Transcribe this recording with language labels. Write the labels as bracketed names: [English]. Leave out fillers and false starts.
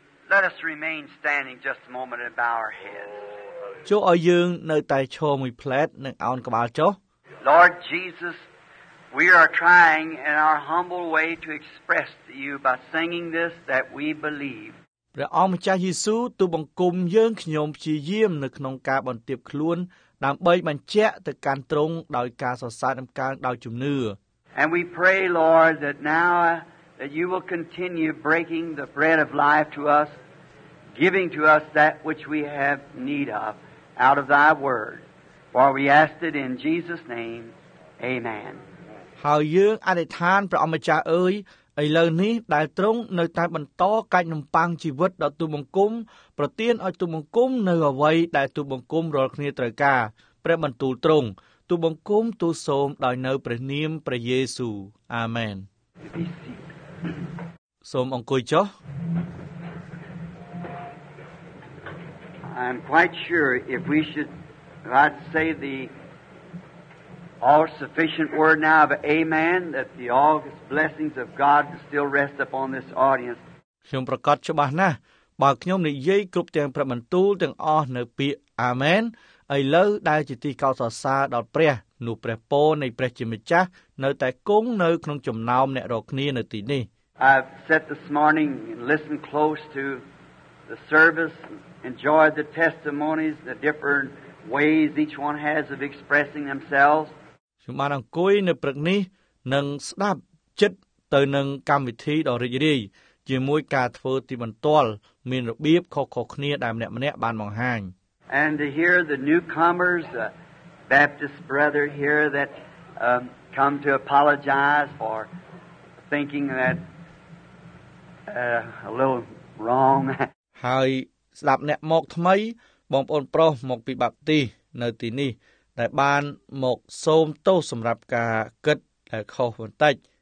[English] Let us remain standing just a moment and bow our heads. [Khmer] ចូល ឲ្យ យើង នៅ តែ ឈរ មួយ ភ្លែត និង ឱន ក្បាល ចុះ. [English] Lord Jesus, we are trying in our humble way to express to you by singing this that we believe. [Khmer] ព្រះអម្ចាស់យេស៊ូវទូបង្គំយើងខ្ញុំព្យាយាមនៅក្នុងការបន្ទាបខ្លួនដើម្បីបញ្ជាក់ទៅកាន់ទ្រង់ដោយការសរសើរនិងកាងដោយជំនឿ. [English] And we pray, Lord, that now that you will continue breaking the bread of life to us, giving to us that which we have need of out of thy word. For we ask it in Jesus' name. Amen. [Khmer] ហើយយើងអធិដ្ឋានព្រះអម្ចាស់អើយឥឡូវនេះដែលទ្រង់នៅតែបន្តកាច់នំប៉័ងជីវិតដល់ទូបង្គំប្រទានឲ្យទូបង្គំនៅអ្វីដែលទូបង្គំរាល់គ្នាត្រូវការព្រះបន្ទូលទ្រង់ទូបង្គំទូសូមដោយនៅព្រះនាមព្រះយេស៊ូវអាម៉ែនសូមអង្គុយចុះ [English] I'm quite sure if we should God say the all sufficient word now of amen that the august blessings of God still rest upon this audience [Khmer] ខ្ញុំប្រកាសច្បាស់ណាស់បើខ្ញុំនិយាយគ្រប់ទាំងព្រះបន្ទូលទាំងអស់នៅពាក្យអាមែនឥឡូវដែលជាទីកោតសរសើរដល់ព្រះនោះព្រះពរនៃព្រះជាម្ចាស់នៅតែគង់នៅក្នុងចំណោមអ្នករាល់គ្នានៅទីនេះ [English] I sat this morning and listened close to the service enjoyed the testimonies the different ways each one has of expressing themselves [Khmer] ខ្ញុំបានអង្គុយនៅព្រឹកនេះនឹងស្ដាប់ចិត្តទៅនឹងកម្មវិធីដ៏រីករាយជាមួយការធ្វើទីបន្ទាល់មានរបៀបខុសៗគ្នាដែលម្នាក់ៗបានបង្ហាញ [English] And to hear the newcomers the Baptist brother here that come to apologize for thinking that a little wrong [Khmer] ហើយស្ដាប់អ្នកមកថ្មីបងប្អូនប្រុសមកពីបាបទីនៅទីនេះដែលបានមកសូមទោសសម្រាប់ការគិតដែលខុសបន្តិច